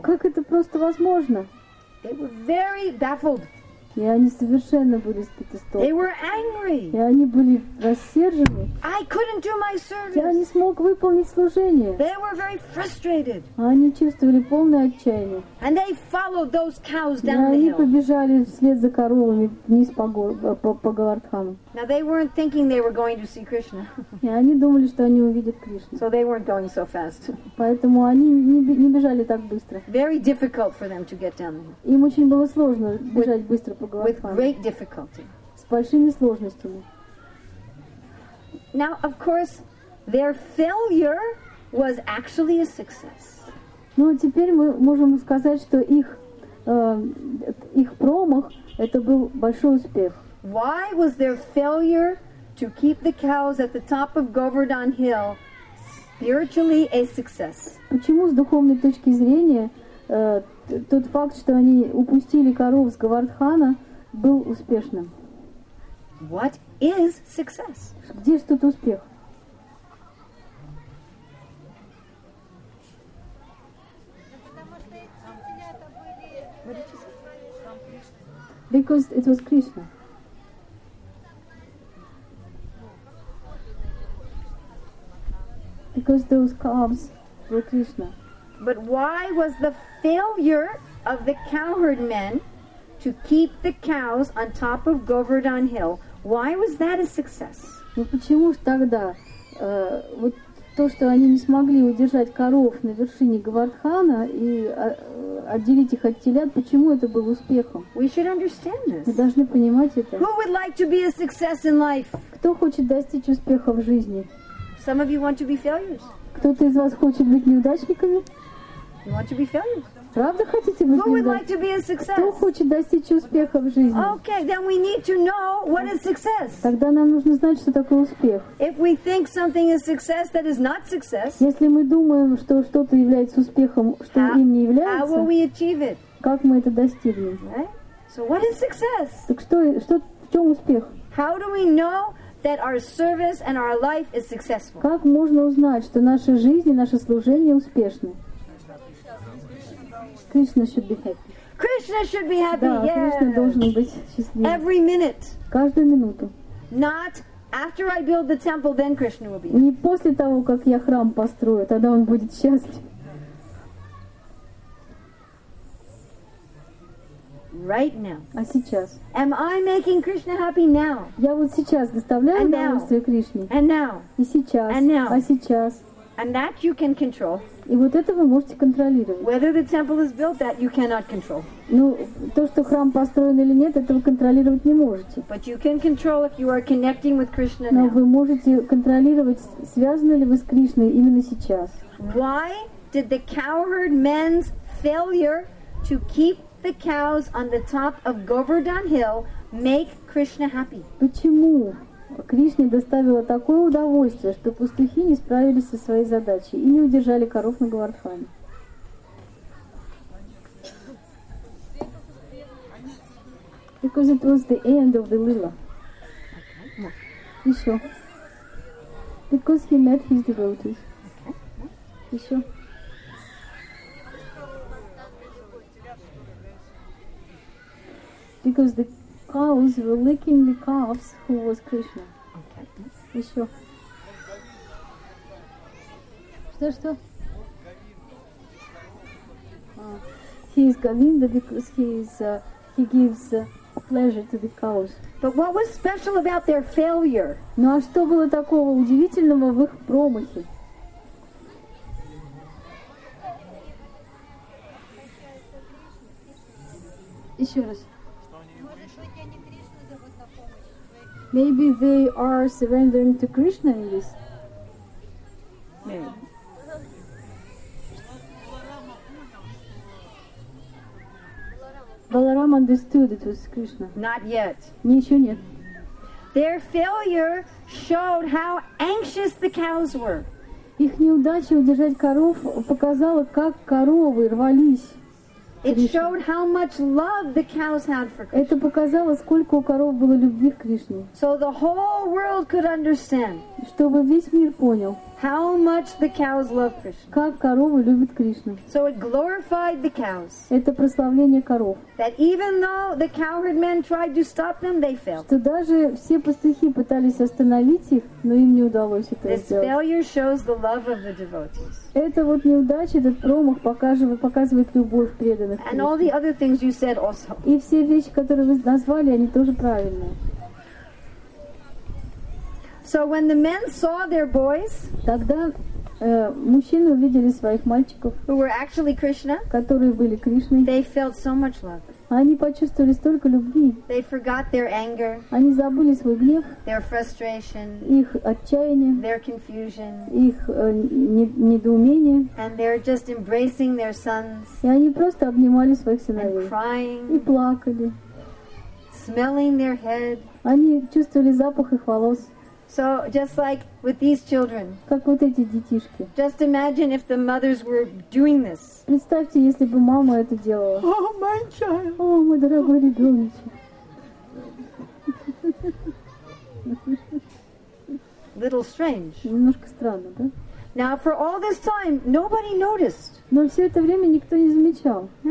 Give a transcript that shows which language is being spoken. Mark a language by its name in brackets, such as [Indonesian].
[Russian] Как это просто возможно? [English] They were very baffled. [Russian] И они совершенно были сбиты с толку. [English] They were angry. [Russian] И они были рассержены. [English] I couldn't do my service. [Russian] Я не смог выполнить служение. [English] They were very frustrated. [Russian] Они чувствовали полное отчаяние. [English] And they followed those cows down the hill. [Russian] И они побежали вслед за коровами вниз по Говардхану. [English] Now they weren't thinking they were going to see Krishna. [Russian] И они думали, что они увидят Кришну. [English] So they weren't going so fast. [Russian] Поэтому они не бежали так быстро. [English] Very difficult for them to get down the hill. [Russian] Им очень было сложно бежать быстро по Говардхану. [English] With great difficulty. [Russian] С большими сложностями. [English] Now, of course, their failure was actually a success. [Russian] Ну, теперь мы можем сказать, что их промах это был большой успех. [English] Why was their failure to keep the cows at the top of Govardhan Hill spiritually a success? [Russian] Почему с духовной точки зрения тот факт, что они упустили коров с Говардхана, был успешным? [English] What is success? [Russian] Где же тут успех? [English] Because it was Krishna. Because those calves were Krishna. But why was the failure of the cowherd men to keep the cows on top of Govardhan Hill? Why was that a success? [Russian] Ну почему ж тогда вот то, что они не смогли удержать коров на вершине Говардхана и отделить их от телят, почему это был успехом? [English] We should understand this. [Russian] Мы должны понимать это. [English] Who would like to be a success in life? [Russian] Кто хочет достичь успеха в жизни? [English] Some of you want to be failures. [Russian] Кто-то из вас хочет быть неудачниками? [English] You want to be failures. [Russian] Правда хотите быть неудачниками? Кто хочет достичь успеха в жизни? [English] Okay, then we need to know what is success. [Russian] Тогда нам нужно знать, что такое успех. [English] If we think something is success that is not success, [Russian] если мы думаем, что что-то является успехом, что им не является, [English] how will we achieve it? [Russian] Как мы это достигнем? [English] Right? So what is success? [Russian] Так что в чем успех? [English] How do we know that our service and our life is successful? [Russian] Как можно узнать, что наша жизнь и наше служение успешны? [English] Кришна should be happy. Krishna should be happy. [Russian] Да, [English] yeah. [Russian] Кришна должен быть счастливым. [English] Every minute. [Russian] Каждую минуту. [English] Not after I build the temple, then Krishna will be. [Russian] Не после того, как я храм построю, тогда он будет счастлив. [English] Right now. [Russian] А сейчас. [English] Am I making Krishna happy now? [Russian] Я вот сейчас доставляю удовольствие Кришне. [English] And now. [Russian] И сейчас. [English] And now. [Russian] А сейчас. [English] And that you can control. [Russian] И вот это вы можете контролировать. [English] Whether the temple is built, that you cannot control. [Russian] Ну, то, что храм построен или нет, это вы контролировать не можете. [English] But you can control if you are connecting with Krishna now. [Russian] Но вы можете контролировать, связаны ли вы с Кришной именно сейчас. [English] Why did the cowherd men's failure to keep the cows on the top of Govardhan Hill make Krishna happy? [Russian] Почему Кришне доставило такое удовольствие, что пастухи не справились со своей задачей и не удержали коров на Говардхане? [English] Because it was the end of the lila. [Russian] Еще. [English] Because he met his devotees. Еще. Because the cows were licking the calves who was Krishna. [Russian] Еще. Что? [English] He is Govinda because he gives pleasure to the cows. But what was special about their failure? [Russian] Ну а что было такого удивительного в их промахе? Еще раз. [English] Maybe they are surrendering to Krishna in this. Balaram understood it was Krishna. Not yet. [Russian] Не еще нет. [English] Their failure showed how anxious the cows were. [Russian] Их неудача удержать коров показала, как коровы рвались. [English] It showed how much love the cows had for Krishna. [Russian] Это показало, сколько у коров было любви к Кришне. [English] So the whole world could understand. [Russian] Чтобы весь мир понял. [English] How much the cows love Krishna. [Russian] Как коровы любят Кришну. [English] So it glorified the cows. [Russian] Это прославление коров. [English] That even though the cowherd men tried to stop them, they failed. [Russian] Что даже все пастухи пытались остановить их, но им не удалось это [English] This [Russian] сделать. [English] This failure shows the love of the devotees. [Russian] Это вот неудача, этот промах показывает любовь преданных. [English] And all the other things you said also. [Russian] И все вещи, которые вы назвали, они тоже правильные. [English] So when the men saw their boys, [Russian] тогда мужчины увидели своих мальчиков, [English] who were actually Krishna, [Russian] которые были Кришной, [English] they felt so much love. [Russian] Они почувствовали столько любви. [English] They forgot their anger, [Russian] они забыли свой гнев, [English] their frustration, [Russian] их отчаяние, [English] their confusion, [Russian] их недоумение, [English] and they're just embracing their sons, [Russian] и они просто обнимали своих сыновей, [English] and crying, [Russian] и плакали, [English] smelling their head, [Russian] они чувствовали запах их волос. [English] So just like with these children. [Russian] Как вот эти детишки. [English] Just imagine if the mothers were doing this. [Russian] Представьте, если бы мама это делала. [English] Oh, my child. [Russian] О, мой дорогой ребёночек. [English] Little strange. [Russian] Немножко странно, да? [English] Now for all this time, nobody noticed. [Russian] Но всё это время никто не замечал.